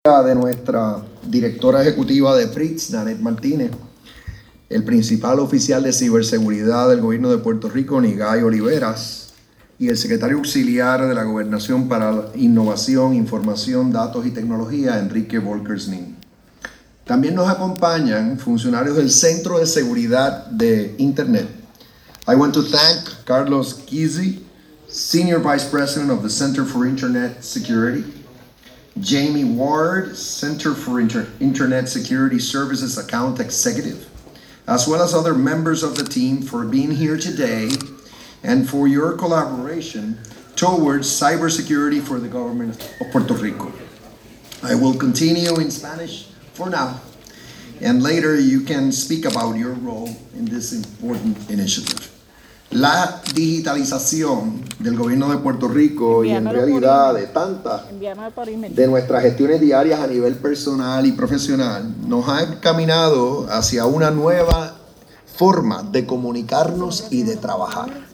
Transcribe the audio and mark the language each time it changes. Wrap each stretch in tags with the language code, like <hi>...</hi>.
<es>de nuestra directora ejecutiva de FRITZ, Nanette Martínez, el principal oficial de ciberseguridad del gobierno de Puerto Rico, Nigai Oliveras, y el secretario auxiliar de la Gobernación para Innovación, Información, Datos y Tecnología, Enrique Volkersnin. También nos acompañan funcionarios del Centro de Seguridad de Internet.</es> <en>I want to thank Carlos Kizzi, Senior Vice President of the Center for Internet Security, Jamie Ward, Center for Internet Security Services Account Executive, as well as other members of the team for being here today and for your collaboration towards cybersecurity for the government of Puerto Rico. I will continue in Spanish for now, and later you can speak about your role in this important initiative.</en> <es>La digitalización del gobierno de Puerto Rico y en realidad de tantas de nuestras gestiones diarias a nivel personal y profesional nos ha encaminado hacia una nueva forma de comunicarnos y de trabajar.</es>